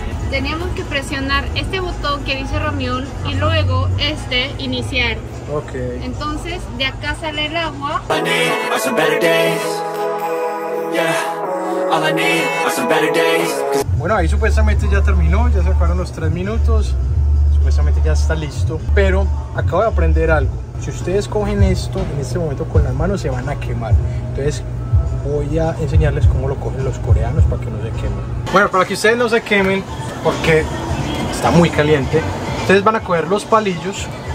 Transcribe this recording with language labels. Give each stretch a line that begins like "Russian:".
Spanish: Teníamos que presionar este botón que dice ramión y luego este iniciar. Ok. Entonces, de acá sale el agua.
English: All I need are some better days. Yeah. All I need are some better days.
Spanish: Bueno, ahí supuestamente ya terminó, ya se acabaron los 3 minutos. Supuestamente ya está listo, pero acabo de aprender algo. Si ustedes cogen esto en este momento con las manos, se van a quemar. Entonces, voy a enseñarles cómo lo cogen los coreanos para que no se quemen. Bueno, para que ustedes no se quemen, porque está muy caliente, ustedes van a coger los palillos.